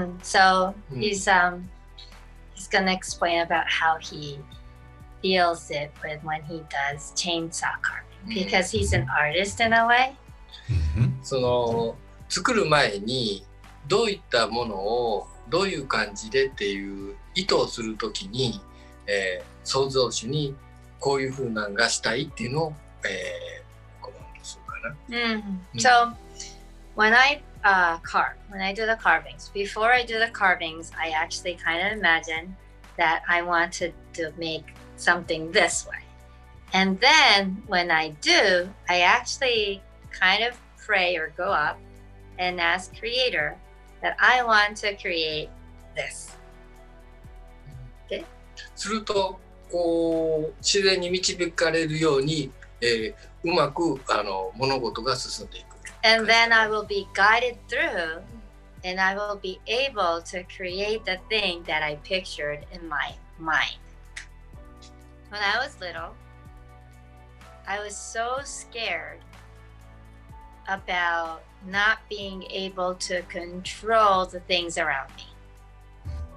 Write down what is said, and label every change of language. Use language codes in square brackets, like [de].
[en] So he's he's gonna explain about how he feels it when he does chainsaw carving because he's an artist in a way. [ja] その作る前にどういったものをどういう感じでっていう意図をするときに、創造主にこういう風なんがしたいっていうのを、コマンドするかな。 [en] So when I carve, when I do the carvings, before I do the carvings, I actually kind of imagine that I want to make something this way. And then when I do, I actually kind of pray or go up and ask Creator that I want to create this. Okay? [ja] するとこう自然に導かれるように、うまく物事が進んでいく。 [en] And then I will be guided through and I will be able to create the thing that I pictured in my mind. When I was little, I was so scared about not being able to control the things around me.